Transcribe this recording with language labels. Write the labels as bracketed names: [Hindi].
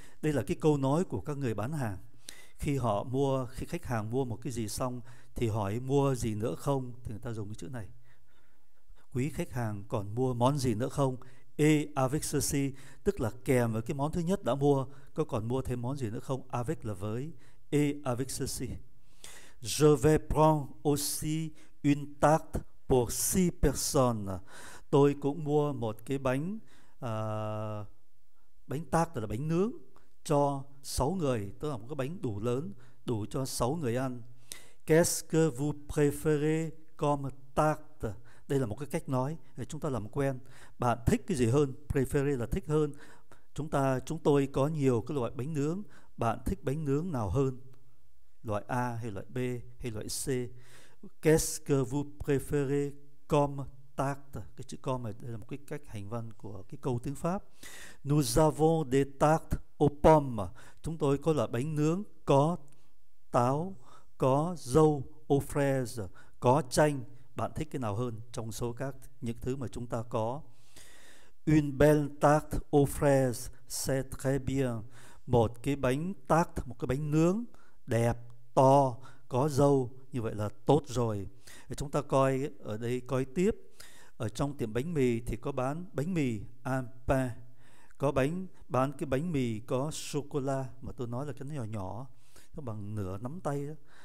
[Vietnamese] Đây là cái câu nói của các người bán hàng. Khi họ mua, khi khách hàng mua một cái gì xong thì hỏi mua gì nữa không, thì người ta dùng cái chữ này. Quý khách hàng còn mua món gì nữa không? [French] Et avec ceci, [Vietnamese] tức là kèm với cái món thứ nhất đã mua, có còn mua thêm món gì nữa không? Avec là với, [French] et avec ceci. Je vais prendre aussi une tarte pour 6 personnes. [Vietnamese] Tôi cũng mua một cái bánh bánh tarte, là bánh nướng, cho 6 người, tức là một cái bánh đủ lớn, đủ cho 6 người ăn. [French] Qu'est-ce que vous préférez comme tarte? [Vietnamese] Đây là một cái cách nói để chúng ta làm quen. Bạn thích cái gì hơn? Préférer là thích hơn. Chúng tôi có nhiều cái loại bánh nướng. Bạn thích bánh nướng nào hơn? Loại A hay loại B hay loại C? [French] Qu'est-ce que vous préférez comme tarte? [Vietnamese] Cái chữ comme đây là một cái cách hành văn của cái câu tiếng Pháp. [French] Nous avons des tartes aux pommes. [Vietnamese] Chúng tôi có loại bánh nướng có táo, có dâu, aux fraises, có chanh. Bạn thích cái nào hơn trong số các những thứ mà chúng ta có? [French] Une belle tarte aux fraises, c'est très bien. [Vietnamese] Một cái bánh tarte, một cái bánh nướng đẹp, to, có dâu, như vậy là tốt rồi. Chúng ta coi ở đây, coi tiếp. Ở trong tiệm bánh mì thì có bán bánh mì un pain. Có bánh, bán cái bánh mì có sô-cô-la, mà tôi nói là cái nhỏ nhỏ, nó bằng nửa nắm tay đó.